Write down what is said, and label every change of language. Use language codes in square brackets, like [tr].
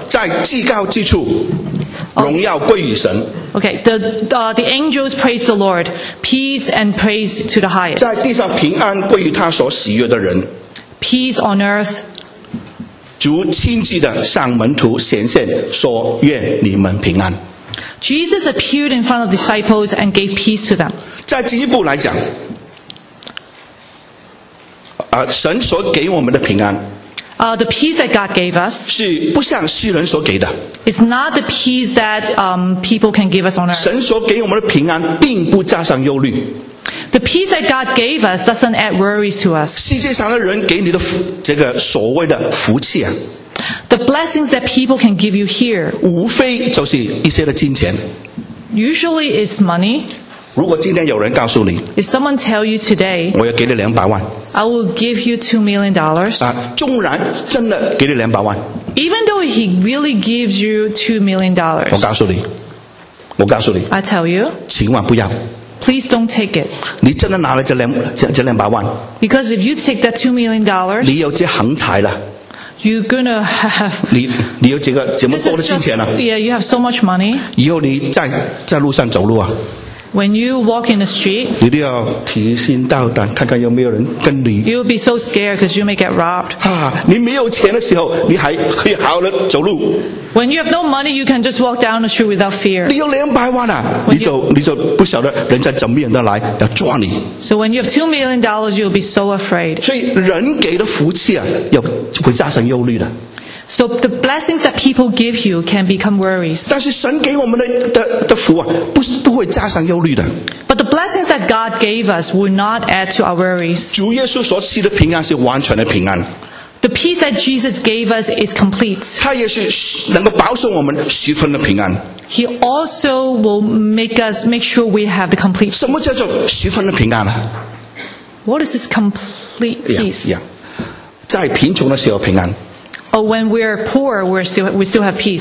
[zh] 在至高之处，荣耀归于神。 [en] Okay, the angels praised the Lord, peace and praise to the highest. [zh] 在地上平安归于他所喜悦的人。 [en] Peace on earth. [zh] 主亲自的向门徒显现，说：“愿你们平安。” [en] Jesus appeared in front of disciples and gave peace to them. [zh] 再进一步来讲，神所给我们的平安， [en] The peace that God gave us [zh] 是不像世人所给的。 [en] It's not the peace that people can give us on earth. [zh] 神所给我们的平安并不加上忧虑。 [en] The peace that God gave us doesn't add worries to us. [zh] 世界上的人给你的这个所谓的福气啊。 [en] The blessings that people can give you here. [zh] 无非就是一些的金钱。 [en] Usually it's money. [zh] 如果今天有人告诉你。 [en] If someone tell you today. [zh] 我要给你两百万。 [en] I will give you $2 million. [zh] 啊，纵然真的给你两百万。 [en] Even though he really gives you $2 million. [zh] 我告诉你。我告诉你。 [en] I tell you. [zh] 千万不要。 [en] Please don't take it. [zh] 你真的拿了这两百万。 [en] Because if you take that $2 million. [zh] 你有这横财了。 [en] You're gonna have. [zh] 你有这么多的金钱了。 [en] Just, yeah, you have so much money. [zh] 以后你在路上走路啊。 [en] When you walk in the street, [zh] 你都要提心吊胆，看看有没有人跟你。 [en] You'll be so scared because you may get robbed. [zh] 啊，你没有钱的时候，你还可以好的走路。 [en] When you have no money, you can just walk down the street without fear. [zh] 你有两百万啊，你就不晓得人家怎么样的来要抓你。 [en] So when you have $2 million, you'll be so afraid. [zh] 所以人给的福气啊，又会加上忧虑的。 [en] So the blessings that people give you can become worries. [zh] 但是神给我们的福啊，不会加上忧虑的。 [en] But the blessings that God gave us will not add to our worries. [zh] 主耶稣所赐的平安是完全的平安。 [en] The peace that Jesus gave us is complete. [zh] 他也是能够保守我们十分的平安。 [en] He also will make sure we have the complete [zh] peace. 什么叫做十分的平安呢？ [en] What is this complete peace? [zh] Yeah. 在贫穷的时候平安。 [en] Oh, when we are poor, we still have peace.